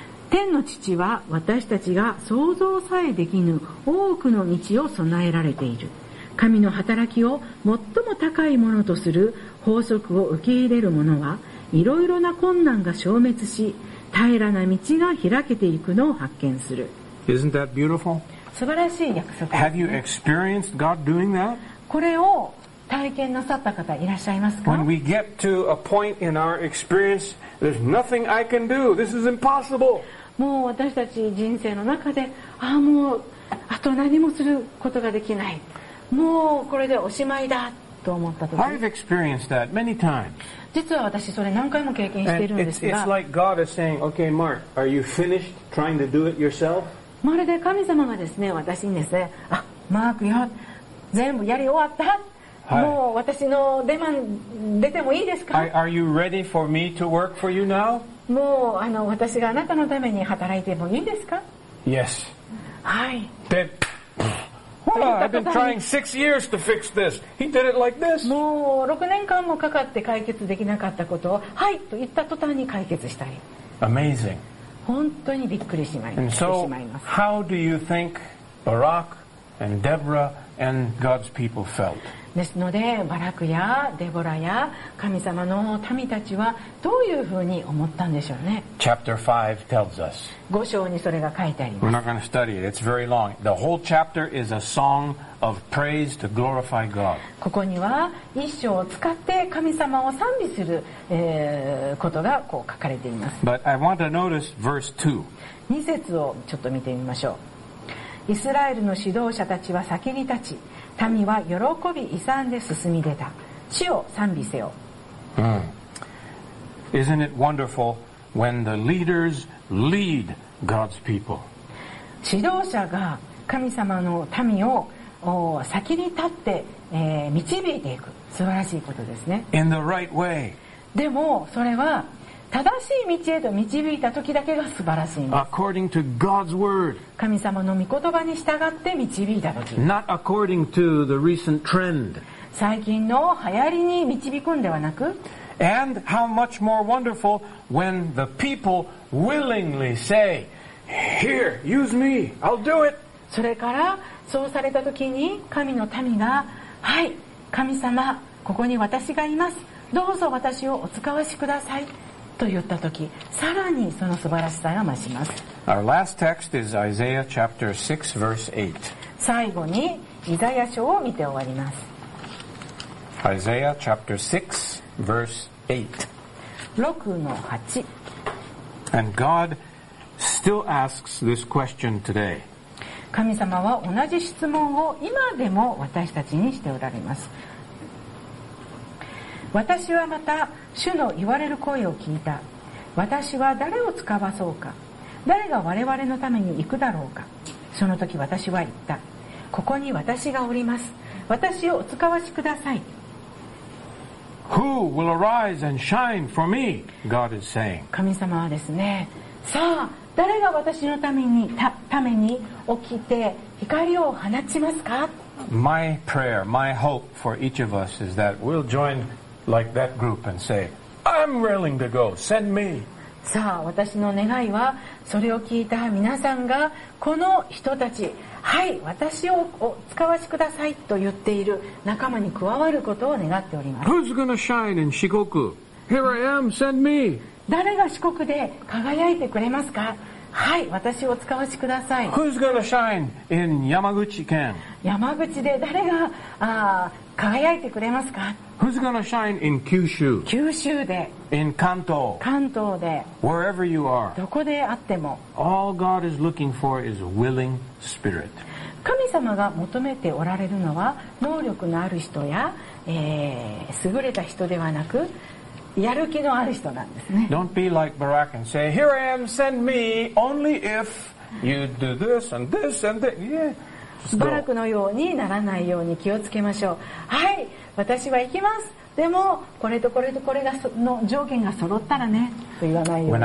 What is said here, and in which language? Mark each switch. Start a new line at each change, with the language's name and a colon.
Japanese: 天の父は私たちが想像さえできぬ多くの道を備えられている。神の働きを最も高いものとする法則を受け入れる者はいろいろな困難が消滅し平らな道が開けていくのを発見する。
English: Isn't that beautiful?
Japanese: 素晴らしい約束ですね。
English: Have you experienced God doing that?
Japanese: これを体験なさった方いらっしゃいますか?
English: When we get to a point in our experience, there's nothing I can do. This is impossible.
Japanese: もう私たち人生の中で、もうあと何もすることができない。もうこれでおしまいだと思ったとき。
English: I've experienced that many times.
Japanese: 実は私それ何回も経験しているんですが、
English: it's like God is saying, okay, Mark, are you finished trying to do it yourself?
Japanese: まるで神様がですね、私にですね、あ、マークよ、全部やり終わった、はい、もう私の出番出てもいいですか、
English: Are you ready for me to work for you now?
Japanese: もう私があなたのために働いてもいいですか、
English: Yes.
Japanese: はい。
English: で、I've been trying 6 years to fix this. He did it like this.
Japanese: もう6年間もかかって解決できなかったことを、はいと言った途端に解決したり。
English: Amazing.
Japanese: 本当にびっくりしまいます。
English: And so, how do you think Barak and Deborah and God's people felt?
Japanese: ですので、バラクやデボラや神様の民たちはどういうふうに思ったんでしょうね。
English: Chapter 5 tells us.
Japanese: 五章にそれが書いてあります。
English: We're not going to study it. It's very long. The whole chapter is a song of praise to glorify God.
Japanese: ここには一章を使って神様を賛美する、ことがこう書かれています。
English: But I want to notice verse 2.
Japanese: 二節をちょっと見てみましょう。イスラエルの指導者たちは先に立ち、民は喜び勇んで進み出た。主を賛美せよ。
English: Isn't it wonderful when the leaders lead God's people?
Japanese: 指導者が神様の民を先に立って、導いていく。素晴らしいことですね。
English: In the right way.
Japanese: でもそれは正しい道へと導いた時だけが素晴らしいんです。
English: According to God's word.
Japanese: 神様の御言葉に従って導いた時。
English: Not according to the recent trend.
Japanese: 最近の流行りに導くんではなく。
English: And how much more wonderful when the people willingly say, "Here, use me. I'll do it."
Japanese: それからそうされた時に神の民が、はい、神様、ここに私がいます。どうぞ私をお使わしください。と言った時、さらにその素晴らしさが増します。
English: Our last text is Isaiah chapter 6 verse 8.
Japanese: 最後にイザヤ書を見て終わります。
English: Isaiah chapter 6 verse
Japanese: 8. 6の8.
English: And God still asks this question today.
Japanese: 神様は同じ質問を今でも私たちにしておられます。私はまた主の言われる声を聞いた。私は誰を使わそうか、誰が我々のために行くだろうか。その時私は言った、ここに私がおります、私をお使わしください。
English: Who will arise and shine for me? God is saying.
Japanese: 神様はですね、さあ誰が私のために、ために起きて光を放ちますか。
English: My prayer, my hope for each of us is that we'll joinLike that group and say, I'm willing to go. Send me.
Japanese: さあ、私の願いは、それを聞いた皆さんが、この人たち、はい、私をお使わしくださいと言っている仲間に加わることを願っております。
English: Who's gonna shine in Shikoku? Here I am. Send me.
Japanese: 誰が四国で輝いてくれますか？はい、私を使わしください。
English: Who's gonna shine in Yamaguchi県？
Japanese: 山口で誰が、輝いてくれますか？
English: Who's gonna shine in 九州？
Japanese: 九州で。
English: In 関東。
Japanese: 関東で。
English: Wherever you are.
Japanese: どこであっても。
English: All God is looking for is a willing spirit.
Japanese: 神様が求めておられるのは、能力のある人や、優れた人ではなく、やる気のある人なんですね。
English: Don't be like Barak and say, "Here I am, send me only if you do this and this and that." Yeah.
Japanese: バラクのようにならないように気をつけましょう。はい、私は行きます、でもこれとこれとこれがの条件が揃ったらねと言わないように。